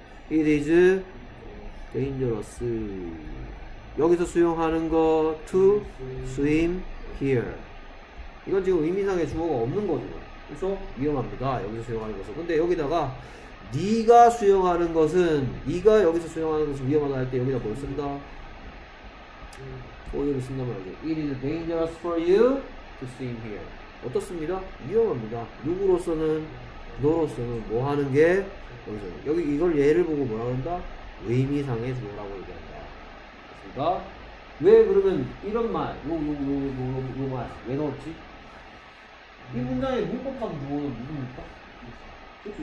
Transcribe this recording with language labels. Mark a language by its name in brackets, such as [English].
[English] It is dangerous. [Korean] 여기서 수영하는 거 [English] to swim here. [Korean] 이건 지금 의미상의 주어가 없는 거죠. 그래서 위험합니다. 여기서 수영하는 것은. 근데 여기다가 네가 수영하는 것은 네가 여기서 수영하는 것은 위험하다 할 때 여기다 뭘 쓴다? 뭐를 쓴단 말이죠. [English] It is dangerous for you to swim here. [Korean] 어떻습니다? 위험합니다. 누구로서는, 너로서는 뭐 하는 게 여기서 여기 이걸 예를 보고 뭐라 한다? 의미상의 주어라고 얘기한다. 그렇습니까? 왜 그러면 이런 말, 요 말 왜 넣었지? 이 문장의 문법상 주어는 누굽니까? 그렇죠.